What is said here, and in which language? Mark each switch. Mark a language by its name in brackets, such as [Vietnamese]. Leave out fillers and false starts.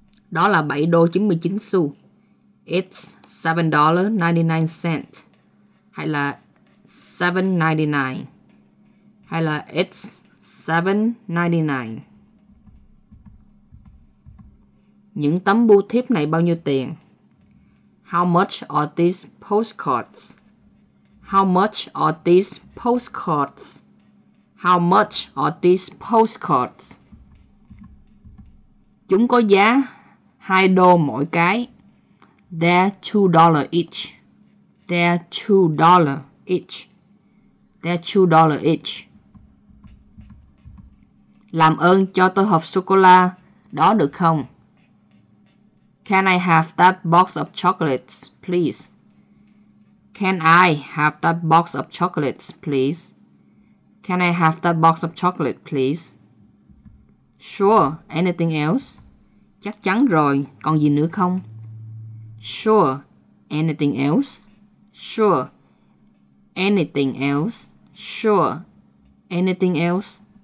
[Vietnamese] Đó là 7 đô 99 xu. [English] It's $7.99. [Vietnamese] Hay là [English] $7.99. Hay là it's $7.99. [Vietnamese] Những tấm bưu thiếp này bao nhiêu tiền? [English] How much are these postcards? How much are these postcards? How much are these postcards? [Vietnamese] Chúng có giá 2 đô mỗi cái. [English] They're $2 each. They're $2 each. They're $2 each. [Vietnamese] Làm ơn cho tôi hộp sô-cô-la đó được không? [English] Can I have that box of chocolates, please? Can I have that box of chocolates, please? Can I have that box of chocolate, please? Sure, anything else? [Vietnamese] Chắc chắn rồi, còn gì nữa không? [English] Sure, anything else? Sure, anything else? Sure, anything else?